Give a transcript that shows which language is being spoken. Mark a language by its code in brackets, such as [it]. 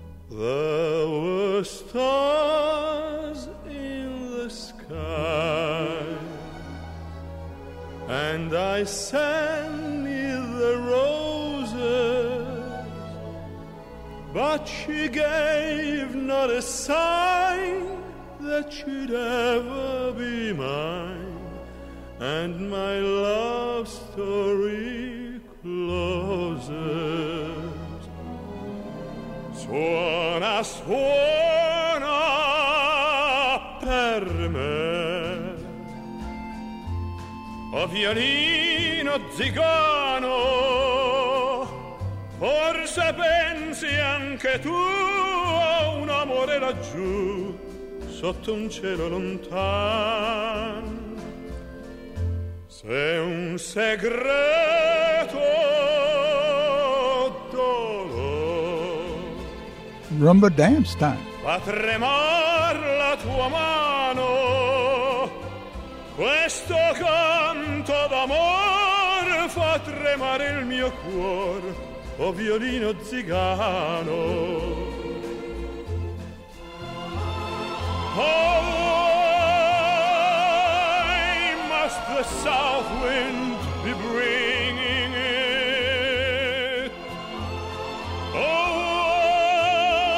[en] There were stars in the sky, and I sang near the roses, but she gave not a sign that you'd ever be mine, and my love story closes. [it] Suona, suona per me, o violino zigano, forse pensi anche tu a un amore laggiù sotto un cielo lontano. Se un segreto dolore, [en] rumba dance time, [it] fa tremar la tua mano, questo canto d'amor fa tremare il mio cuore, o violino zigano. [en] Away must the south wind be bringing it. Away